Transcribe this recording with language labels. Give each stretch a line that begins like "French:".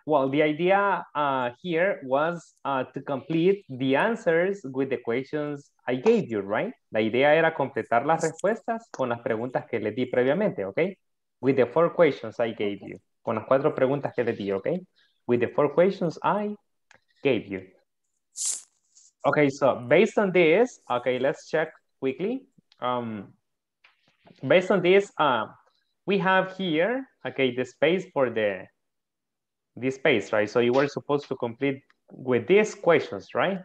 English: Well, the idea here was to complete the answers with the questions I gave you, right?
Spanish: La idea era completar las respuestas con las preguntas que le di previamente, okay?
English: With the four questions I gave you.
Spanish: Con las cuatro preguntas que le di, okay?
English: With the four questions I gave you. Okay, so based on this, okay, let's check quickly. Based on this, we have here, okay, the space for the space, right? So you were supposed to complete with these questions, right?